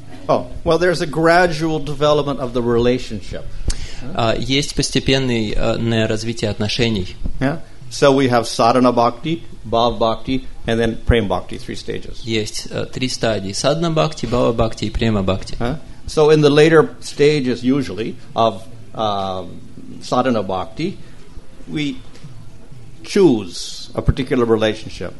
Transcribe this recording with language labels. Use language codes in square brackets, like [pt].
[en] Oh, well, there's a gradual development of the relationship. [ru] Есть постепенное развитие отношений. Yeah. [en] So we have sadhana bhakti, bhava bhakti, and then prem bhakti, three stages. [ru] Есть три стадии: sadhana bhakti, bhava bhakti, и prema bhakti. [en] So in the later stages, usually of sadhana bhakti, we choose a particular relationship.